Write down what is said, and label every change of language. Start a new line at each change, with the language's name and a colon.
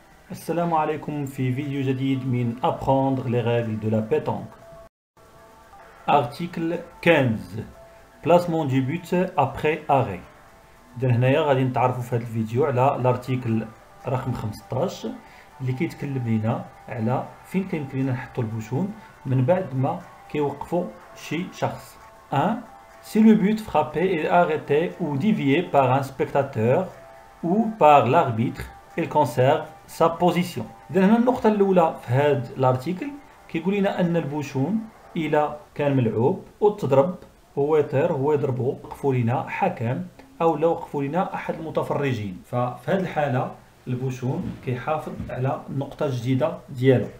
Arabic: السلام عليكم في فيديو جديد من
French: Apprendre les règles de la pétanque. Article 15. Placement du but après arrêt.
Arabic: إذن هنايا غادي نتعرفوا في هذا الفيديو على الارتيكل رقم 15 اللي كيتكلم لينا على فين كيمكن لينا نحطوا البوشون من بعد ما كيوقفوا شي شخص.
French: 1. Si le but frappé est arrêté ou dévié par un spectateur ou par l'arbitre, il conserve sa position.
Arabic: إذن هنا النقطة الأولى في هذا الارتيكل كيقول لنا أن البوشون إلى كان ملعوب وتضرب هو يطير هو يضربه وقفوا لنا حكم أو لو وقفوا لنا أحد المتفرجين. ففي هذه الحالة البوشون كيحافظ على النقطة الجديدة ديالو.